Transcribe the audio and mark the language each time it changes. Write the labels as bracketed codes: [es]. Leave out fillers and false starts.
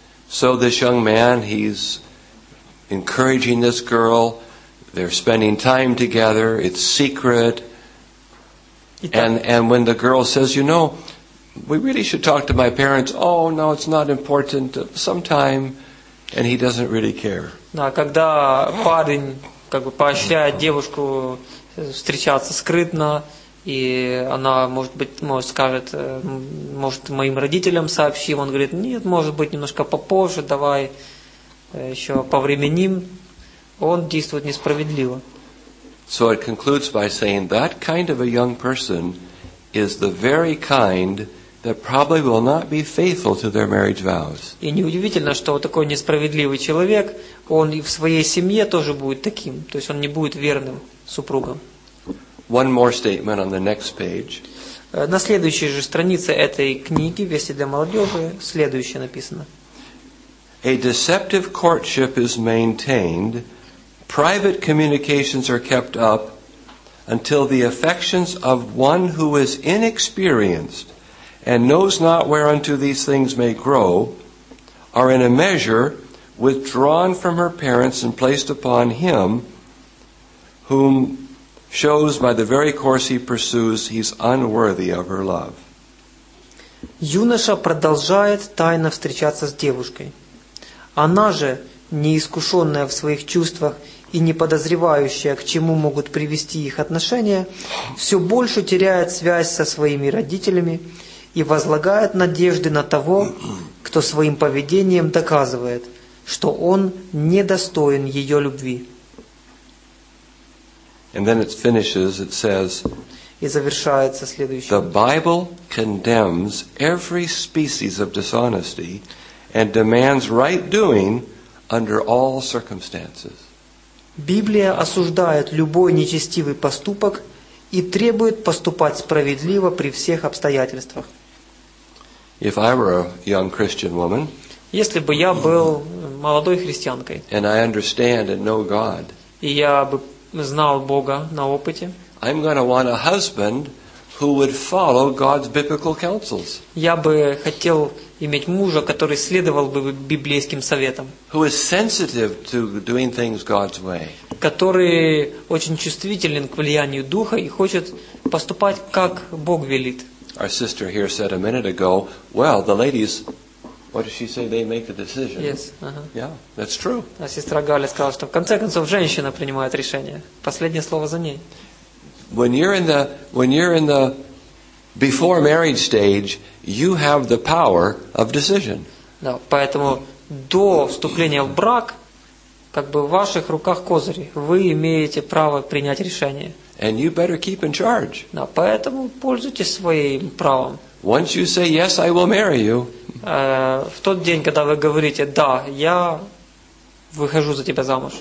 [en] So this young man, he's encouraging this girl, they're spending time together, it's secret. And when the girl says, you know, we really should talk to my parents, oh, no, it's not important, sometime, and he doesn't really care. [ru] Да, когда парень как бы поощряет девушку встречаться скрытно, и она, может быть, может скажет, может, моим родителям сообщим, он говорит, нет, может быть, немножко попозже, давай еще повременим, он действует несправедливо. [en] So it concludes by saying that kind of a young person is the very kind that probably will not be faithful to their marriage vows. [ru] И неудивительно, что такой несправедливый человек, он и в своей семье тоже будет таким, то есть он не будет верным супругом. [en] One more statement on the next page. [ru] На следующей же странице этой книги «Вести для молодежи» следующее написано. [en] A deceptive courtship is maintained. Private communications are kept up until the affections of one who is inexperienced and knows not whereunto these things may grow are in a measure withdrawn from her parents and placed upon him whom shows by the very course he pursues he's unworthy of her love. [ru] Юноша продолжает тайно встречаться с девушкой. Она же, неискушенная в своих чувствах и не подозревающая, к чему могут привести их отношения, все больше теряет связь со своими родителями и возлагает надежды на того, кто своим поведением доказывает, что он недостоин ее любви. [en] And then it finishes, it says, [ru] и завершается следующее. [en] The Bible condemns every species of dishonesty and demands right doing under all circumstances. [ru] Библия осуждает любой нечестивый поступок и требует поступать справедливо при всех обстоятельствах. [en] If I were a young Christian woman, [ru] если бы я был молодой христианкой, [en] and I understand and know God, [ru] и я бы знал Бога на опыте, [en] I'm going to want a husband who would follow God's biblical counsels. [ru] Я бы хотел иметь мужа, который следовал бы библейским советам. [en] Who is sensitive to doing things God's way. [ru] Который очень чувствителен к влиянию Духа и хочет поступать, как Бог велит. [en] Our sister here said a minute ago, well, the ladies, what does she say, they make the decision. Yes. Yeah, that's true. [ru] А сестра Галя сказала, что в конце концов женщина принимает решение. Последнее слово за ней. [en] When you're in the before marriage stage, you have the power of decision. [ru] Да, поэтому до вступления в брак, как бы в ваших руках козыри, вы имеете право принять решение. [en] And you better keep in charge. [ru] Да, поэтому пользуйтесь своим правом. [en] Once you say yes, I will marry you. [ru] В тот день, когда вы говорите да, я выхожу за тебя замуж.